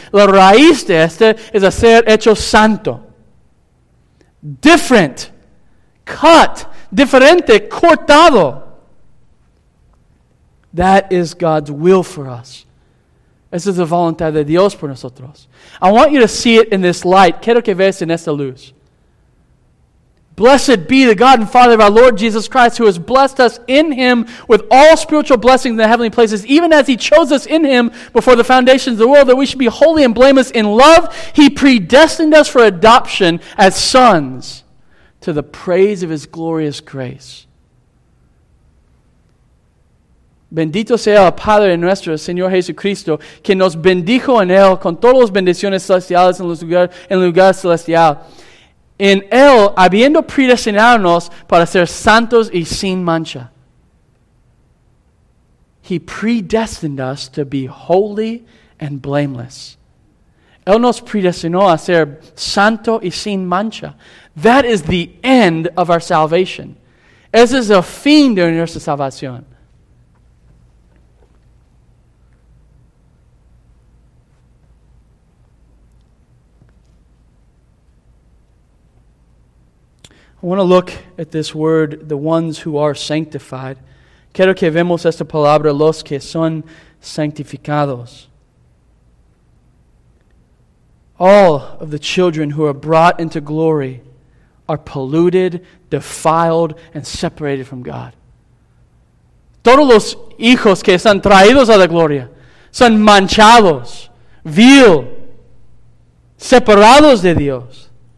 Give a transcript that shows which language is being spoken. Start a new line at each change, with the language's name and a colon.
Spanish: La raíz de este es a ser hecho santo.
English: Different. Cut.
Spanish: Diferente. Cortado.
English: That is God's will for us.
Spanish: Esa es la voluntad de Dios por nosotros.
English: I want you to see it in this light.
Spanish: Quiero que veas en esta luz.
English: Blessed be the God and Father of our Lord Jesus Christ, who has blessed us in Him with all spiritual blessings in the heavenly places, even as He chose us in Him before the foundations of the world, that we should be holy and blameless in love. He predestined us for adoption as sons to the praise of His glorious grace.
Spanish: Bendito sea el Padre de nuestro Señor Jesucristo, que nos bendijo en Él con todas las bendiciones celestiales en lugar celestial. En Él, habiendo predestinadonos para ser santos y sin mancha.
English: He predestined us to be holy and blameless.
Spanish: Él nos predestinó a ser santo y sin mancha.
English: That is the end of our salvation.
Spanish: Ese es el fin de nuestra salvación.
English: I want to look at this word, the ones who are sanctified.
Spanish: Quiero que vemos esta palabra, los que son sanctificados.
English: All of the children who are brought into glory are polluted, defiled, and separated from God.
Spanish: Todos los hijos que están traídos a la gloria son manchados, vil, separados de Dios.